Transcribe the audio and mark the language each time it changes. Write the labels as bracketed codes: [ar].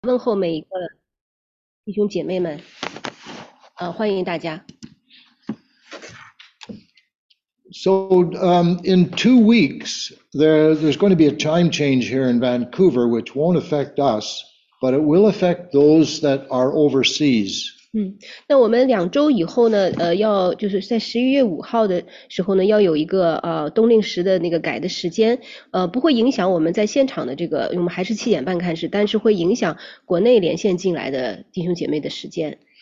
[zh] 问候每一个弟兄姐妹们，欢迎大家。 [en] So, in 2 weeks, there's going to be a time change here in Vancouver, which won't affect us, but it will affect those that are overseas. [zh] 那我们两周以后呢，要就是在11月5号的时候呢，要有一个冬令时的那个改的时间，不会影响我们在现场的这个，我们还是7点半开始，但是会影响国内连线进来的弟兄姐妹的时间。